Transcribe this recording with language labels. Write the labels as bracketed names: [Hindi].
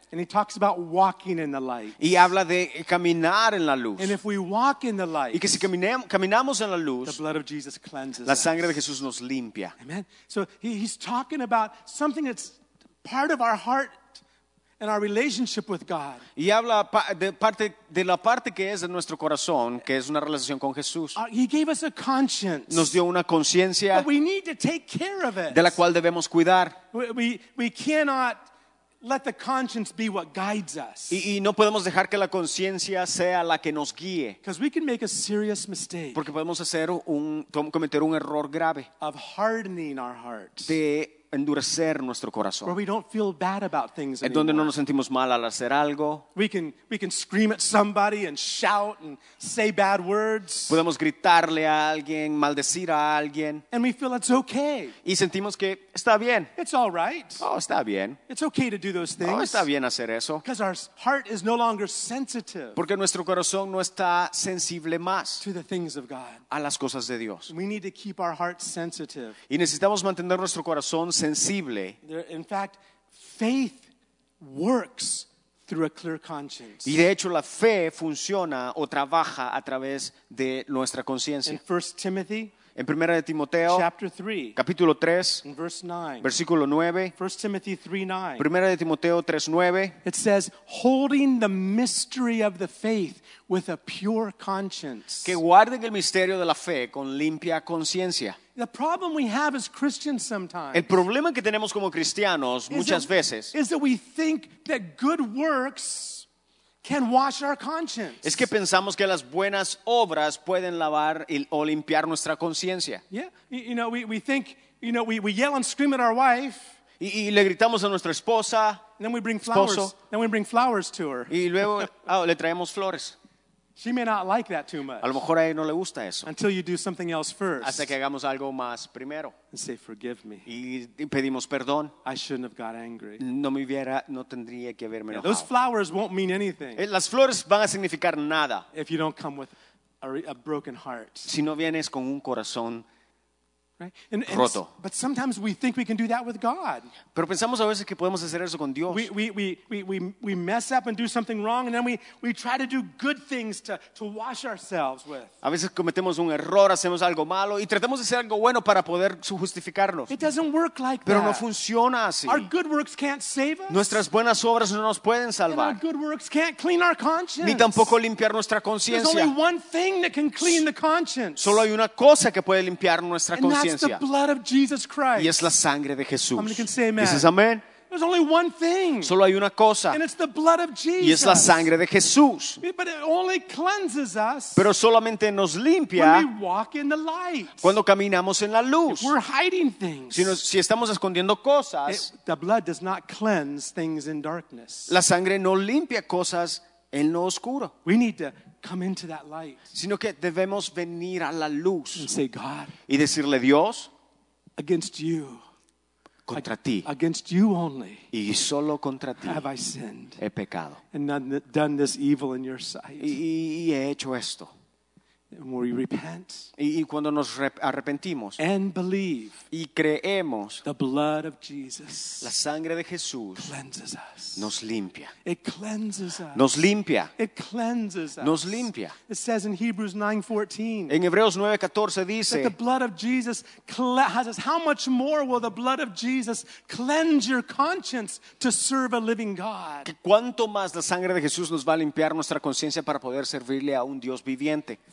[English] And he talks about walking in the light. [Spanish] Y habla de caminar en la luz. [English] And if we walk in the light. [Spanish] Y que si caminamos en la luz. [English] The blood of Jesus cleanses [Spanish] us. La sangre de Jesús nos limpia. [English] Amen. So he's talking about something that's part of our heart and our relationship with God. [Spanish] Y habla de la parte que es de nuestro corazón, que es una relación con Jesús. [English] He gave us a conscience. [Spanish] Nos dio una conciencia. [English] But we need to take care of it. [Spanish] De la cual debemos cuidar. [English] We cannot let the conscience be what guides us. [Spanish] Y no podemos dejar que la conciencia sea la que nos guíe. [English] Because we can make a serious mistake. [Spanish] Porque podemos cometer un error grave. [English] Of hardening our hearts. [Spanish] De endurecer nuestro corazón. [English] Where we don't feel bad about things. [Spanish] En donde no nos sentimos mal al hacer algo. [English] We can scream at somebody and shout and say bad words. [Spanish] Podemos gritarle a alguien, maldecir a alguien. [English] And we feel it's okay. [Spanish] Y sentimos que está bien. [English] It's all right. [Spanish] Oh, está bien. [English] It's okay to do those things. [Spanish] Oh, está bien hacer eso. [English] Because our heart is no longer sensitive. [Spanish] Porque nuestro corazón no está sensible más. [English] To the things of God. [Spanish] A las cosas de Dios. [English] We need to keep our hearts sensitive. [Spanish] Y necesitamos mantener nuestro corazón sensible. [English] In fact, faith works through a clear conscience. [Spanish] Y de hecho la fe funciona o trabaja a través de nuestra conciencia. [English] In 1 Timothy, [Spanish] en 1 de Timoteo, [English] chapter 3, [Spanish] capítulo 3, [English] in verse 9, [Spanish] versículo 9, [English] 1 Timothy 3:9. [Spanish] 1 de Timoteo 3:9. [English] It says, holding the mystery of the faith with a pure conscience. [Spanish] Que guarden el misterio de la fe con limpia conciencia. [English] The problem we have as Christians sometimes. [Spanish] El problema que tenemos como cristianos muchas veces. [English] Is that we think that good works can wash our conscience. [Spanish] Es que pensamos que las buenas obras pueden lavar o limpiar nuestra conciencia. [English] Yeah, you know, we think, you know, we yell and scream at our wife. [Spanish] Y le gritamos a nuestra esposa. [English] Then we bring flowers. Then we bring flowers to her. [Spanish] Y luego le traemos flores. [English] She may not like that too much. [Spanish] A lo mejor a ella no le gusta eso. [English] Until you do something else first. [Spanish] Hasta que hagamos algo más primero. [English] And say, forgive me. [Spanish] Y pedimos perdón. [English] I shouldn't have got angry. [Spanish] No me hubiera, no tendría que haberme enojado. [English] Those flowers won't mean anything. [Spanish] Las flores van a significar nada. [English] If you don't come with a broken heart. [Spanish] Si no vienes con un corazón [English] right? And, [Spanish] roto. [English] But sometimes we think we can do that with God. [Spanish] Pero pensamos a veces que podemos hacer eso con Dios. [English] We mess up and do something wrong, and then we try to do good things to wash ourselves with. [Spanish] A veces cometemos un error, hacemos algo malo, y tratamos de hacer algo bueno para poder justificarnos. [English] It doesn't work like [Spanish] Pero [English] that. [Spanish] Pero no funciona así. [English] Our good works can't save us. [Spanish] Nuestras buenas obras no nos pueden salvar. [English] And our good works can't clean our conscience. [Spanish] Ni tampoco limpiar nuestra conciencia. [English] There's only one thing that can clean the conscience. [Spanish] Solo hay una cosa que puede limpiar nuestra conciencia. [English] That's the blood of Jesus Christ. [Spanish] Y es la sangre de Jesús. [English] How many can say amen? [Spanish] Dices amén. [English] There's only one thing. [Spanish] Solo hay una cosa. [English] And it's the blood of Jesus. [Spanish] Y es la sangre de Jesús. [English] But it only cleanses us. [Spanish] Pero solamente nos limpia. [English] When we walk in the light. [Spanish] Cuando caminamos en la luz. [English] If we're hiding things. [Spanish] Si estamos escondiendo cosas. [English] The blood does not cleanse things in darkness. [Spanish] La sangre no limpia cosas en lo oscuro. [English] We need to come into that light. [Spanish] Sino que debemos venir a la luz. [English] And say, God, [Spanish] y decirle Dios, [English] against you, [Spanish] contra ti, [English] against you only, [Spanish] y solo contra ti, [English] have I sinned, [Spanish] he pecado, [English] and done this evil in your sight. [Spanish] Y he hecho esto. [English] And we repent. [Spanish] Y cuando nos arrepentimos. [English] And believe. [Spanish] Y creemos. [English] The blood of Jesus. [Spanish] La sangre de Jesús. [English] Cleanses us. [Spanish] Nos limpia. [English] It cleanses us. [Spanish] Nos limpia. [English] It cleanses us. [Spanish] Nos limpia. [English] It says in Hebrews 9:14. [Spanish] En Hebreos 9:14 dice. [English] That the blood of Jesus has us. How much more will the blood of Jesus cleanse your conscience to serve a living God? [Spanish] Que cuanto más la sangre de Jesús nos va a limpiar nuestra conciencia para poder servirle a un Dios viviente.